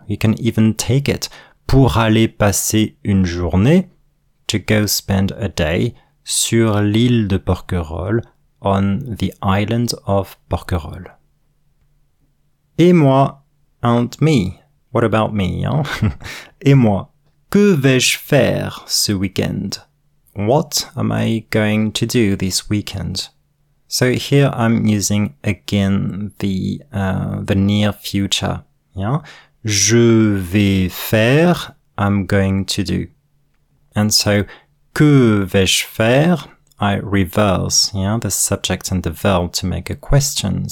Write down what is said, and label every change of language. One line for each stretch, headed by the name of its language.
English: You can even take it.
French: Pour aller passer une journée,
English: to go spend a day,
French: sur l'île de Porquerolles,
English: on the island of Porquerolles.
French: Et moi,
English: and me, what about me, hein?
French: Et moi, que vais-je faire ce weekend?
English: What am I going to do this weekend? So here I'm using again the near future, yeah?
French: Je vais faire,
English: I'm going to do. And so,
French: que vais-je faire?
English: I reverse, yeah, the subject and the verb to make a question.